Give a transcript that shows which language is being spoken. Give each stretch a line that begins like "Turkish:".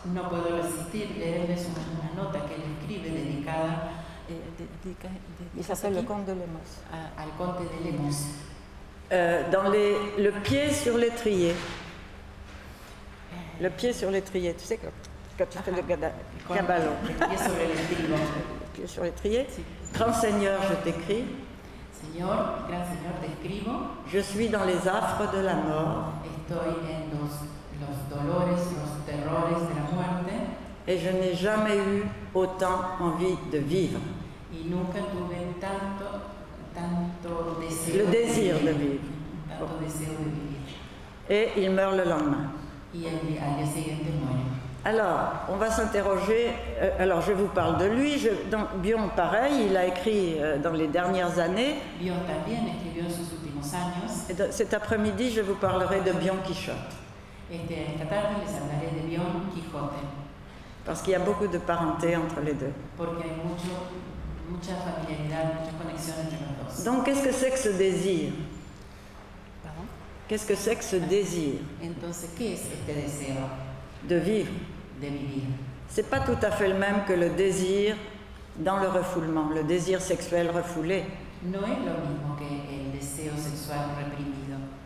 Spanish: No puedo resistir leerles una nota que él escribe dedicada.
French: Il s'appelle le comte de Lemos.
Spanish: Al conte de Lemos.
French: Le pied sur l'étrier. Le pied sur l'étrier. Tu sais quand tu fais le cabalon. Le pied sur l'étrier. Grand Seigneur, je t'écris.
Spanish: Señor, gran señor, te escribo.
French: Je suis dans les affres de la mort.
Spanish: Estoy en los dolores, los terrores de la muerte.
French: Et je n'ai jamais eu autant envie de vivre.
Spanish: Y nunca tuve tanto deseo.
French: Le désir de vivre.
Spanish: Tanto deseo de vivir.
French: Et il meurt le lendemain.
Spanish: Y al día siguiente muere.
French: Alors, on va s'interroger. Alors, je vous parle de lui. Donc, Bion, pareil, il a écrit dans les dernières années.
Spanish: Bion también escribió en sus últimos años.
French: Et cet après-midi, je vous parlerai de Bion Quichotte.
Spanish: Esta tarde les hablaré de Bion Quijote.
French: Parce qu'il y a beaucoup de parenté entre les deux.
Spanish: Porque hay mucha familiaridad, mucha conexión entre los dos.
French: Donc, qu'est-ce que c'est que ce désir? Pardon? Qu'est-ce que c'est que ce désir?
Spanish: Entonces, ¿qué es este deseo?
French: De vivre.
Spanish: De vivir.
French: C'est pas tout à fait le même que le désir dans le refoulement, le désir sexuel refoulé.
Spanish: No es lo mismo que el deseo sexual reprimido.